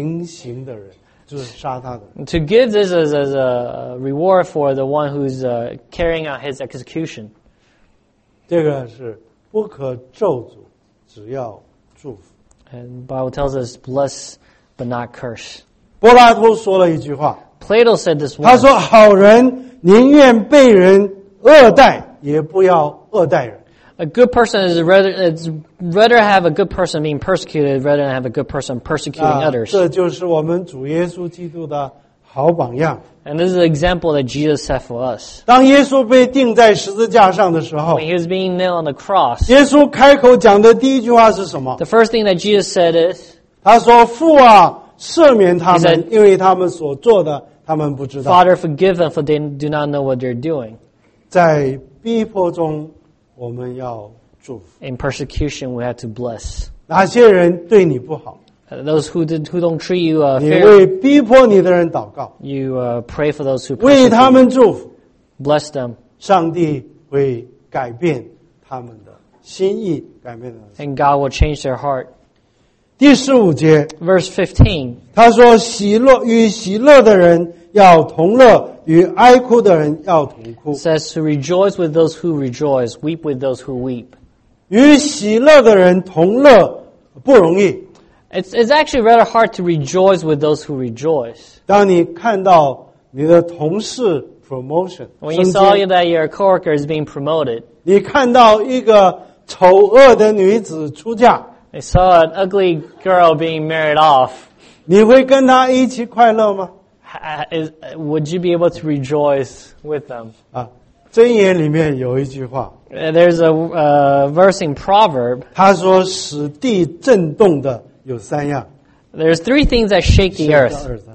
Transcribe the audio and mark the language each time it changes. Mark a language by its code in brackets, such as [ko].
[zh] 给那个向他行刑的人，就是杀他的人。 [en] To give this as a reward for the one who's carrying out his execution. [zh] 这个是不可咒诅，只要祝福。 [en] And the Bible tells us, bless but not curse. [zh] 柏拉图说了一句话。 [en] Plato said this word. [zh] 他说，好人宁愿被人恶待。也不要恶待人。 [en] A good person is rather have a good person being persecuted rather than have a good person persecuting others. [zh] 这就是我们主耶稣基督的好榜样。 [en] And this is an example that Jesus set for us. [zh] 当耶稣被钉在十字架上的时候， [en] When he was being nailed on the cross, [zh] 耶稣开口讲的第一句话是什么？ [en] The first thing that Jesus said is, [zh] 他说父啊赦免他们， 因为他们所做的他们不知道。 [en] Father forgive them for they do not know what they're doing. [zh] 在 逼迫中，我们要祝福。 [en] In persecution, we have to bless. [zh] 哪些人对你不好？ [en] Those who don't treat you fairly. [zh] 你为逼迫你的人祷告。 [en] You pray for those who persecute you. [zh] 为他们祝福。 [en] Bless them. [zh] 上帝会改变他们的心意，改变他们的心。 [en] And God will change their heart. [zh] 第15节。 [en] Verse 15. [zh] 他说，喜乐与喜乐的人要同乐。与哀哭的人要同哭。 [en] Says to rejoice with those who rejoice, weep with those who weep. [zh] 与喜乐的人同乐不容易。 [en] It's actually rather hard to rejoice with those who rejoice. [zh] 当你看到你的同事 promotion， [en] When you saw that your coworker is being promoted， [zh] 你看到一个丑恶的女子出嫁， [en] You saw an ugly girl being married off， [zh] 你会跟她一起快乐吗？ [en] Would you be able to rejoice with them? [zh] 箴言里面有一句话。 [en] There's a verse in Proverb. [zh] 他说使地震动的有三样。 [en] There's three things that shake the earth.